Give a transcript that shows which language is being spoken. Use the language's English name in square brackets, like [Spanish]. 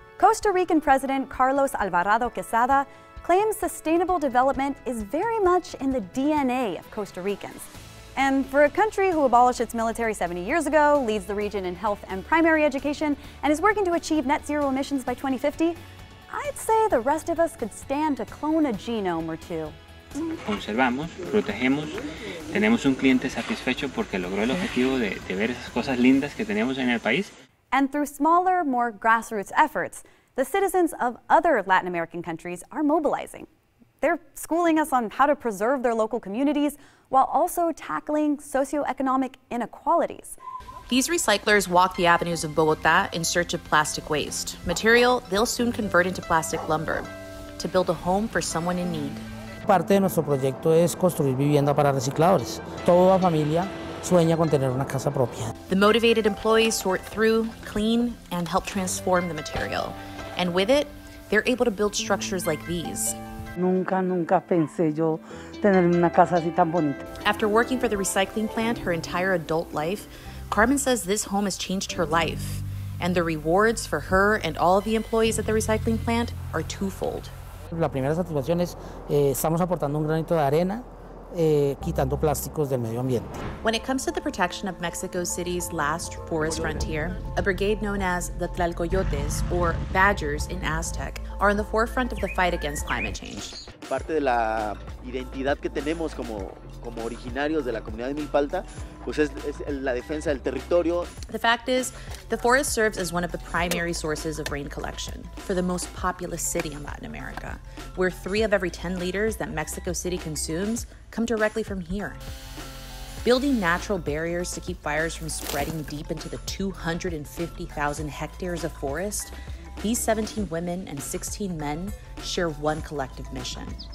[English] Costa Rican President Carlos Alvarado Quesada claims sustainable development is very much in the DNA of Costa Ricans. And for a country who abolished its military 70 years ago, leads the region in health and primary education, and is working to achieve net zero emissions by 2050, I'd say the rest of us could stand to clone a genome or two. [Spanish] Conservamos, protegemos, tenemos un cliente satisfecho porque logró el objetivo de ver esas cosas lindas que tenemos en el país. [English] And through smaller, more grassroots efforts, the citizens of other Latin American countries are mobilizing. They're schooling us on how to preserve their local communities while also tackling socioeconomic inequalities. These recyclers walk the avenues of Bogota in search of plastic waste, material they'll soon convert into plastic lumber to build a home for someone in need. [Spanish] Parte de nuestro proyecto es construir vivienda para recicladores. Toda familia sueña con tener una casa propia. [English] The motivated employees sort through, clean, and help transform the material. And with it, they're able to build structures like these. [Spanish] Nunca, nunca pensé yo tener una casa así tan bonita. [English] After working for the recycling plant her entire adult life, Carmen says this home has changed her life. And the rewards for her and all of the employees at the recycling plant are twofold. [Spanish] La primera satisfacción es estamos aportando un granito de arena, quitando plásticos del medio ambiente. [English] When it comes to the protection of Mexico City's last forest frontier, a brigade known as the Tlalcoyotes, or Badgers in Aztec, are in the forefront of the fight against climate change. [Spanish] Parte de la identidad que tenemos como originarios de la comunidad de Milpalta, pues es la defensa del territorio. [English] The fact is, the forest serves as one of the primary sources of rain collection for the most populous city in Latin America, where 3 of every 10 liters that Mexico City consumes come directly from here. Building natural barriers to keep fires from spreading deep into the 250,000 hectares of forest, these 17 women and 16 men share one collective mission.